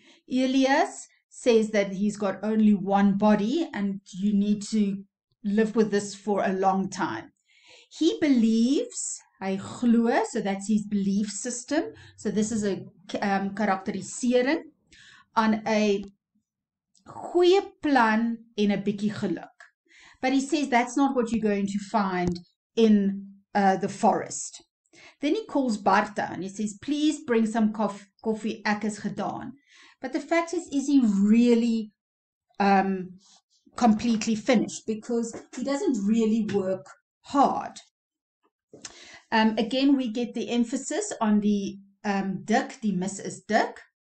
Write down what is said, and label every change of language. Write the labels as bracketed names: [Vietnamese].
[English] Elias says that he's got only one body and you need to live with this for a long time. He believes, [Afrikaans] hy glo, [English] so that's his belief system. So this is a [Afrikaans] karakterisering aan 'n goeie plan en 'n bietjie geluk. [English] But he says that's not what you're going to find in the forest. Then he calls Bartha and he says, please bring some coffee, [Afrikaans] ek is gedaan. [English] But the fact is he really completely finished? Because he doesn't really work hard. Again, we get the emphasis on the dik, [Afrikaans] die mis is dik.